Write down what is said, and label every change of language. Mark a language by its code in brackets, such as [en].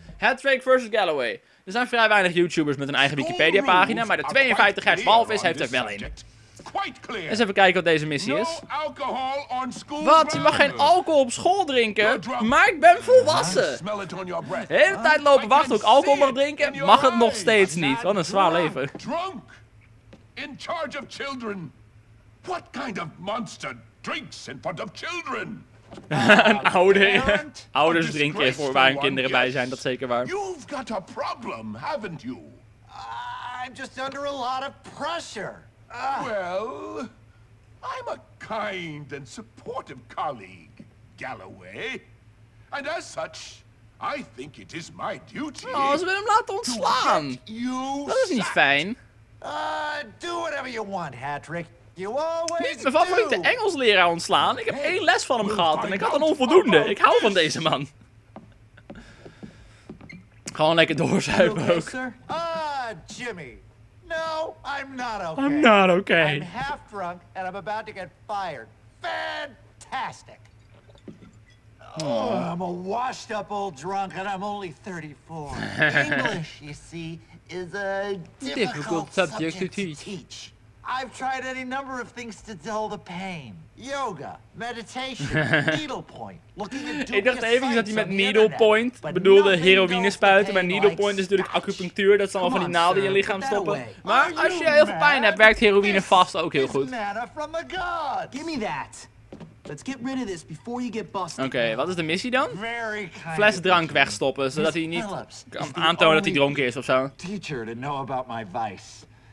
[nl] Hattrick versus Galloway. Er zijn vrij weinig YouTubers met een eigen Wikipedia-pagina, maar de 52 hertz walvis heeft er wel een. Eens even kijken wat deze missie is. Wat? Je mag geen alcohol op school drinken? Maar ik ben volwassen. De hele tijd lopen wachten op alcohol mag drinken, mag het nog steeds niet. Wat een zwaar leven. [en] Drunk in charge of children. What kind of monster drinks in front of children? [nl] Een oude. Ouders drinken voor waar hun kinderen bij zijn, dat is zeker waar. [en] You've got a problem, haven't you? I'm just under a lot of pressure. Well, I'm a kind and supportive colleague, Galloway. And as such, I think it is my duty. [nl] Oh, ze willen hem laten ontslaan. Dat is niet fijn. [en] Do whatever you want, Hattrick. [nl] Niet mijn favoriete Engelsleraar ontslaan. Ik heb één les van hem gehad en ik had een onvoldoende. Ik hou van deze man. Gewoon lekker doorzuipen ook. [en] Jimmy. No, I'm not okay. I'm not okay. I'm half drunk and I'm about to get fired. Fantastic. Oh, I'm a washed up old drunk and I'm only 34. English, you see, is a difficult subject to teach. I've tried any number of things to dull the pain. Yoga, meditation, needlepoint, looking at [nl] Ik dacht even dat hij met needlepoint bedoelde heroïne spuiten. Maar needlepoint is natuurlijk acupunctuur. Dat zal wel van die naalden in je lichaam stoppen. Maar als je heel veel pijn hebt, werkt heroïne vast ook heel goed. [en] Give me that. Let's get rid of this before you get busted. [nl] Oké, wat is de missie dan? Fles drank wegstoppen, zodat hij niet kan aantonen dat hij dronken is ofzo. [en] Teacher to know about my vice.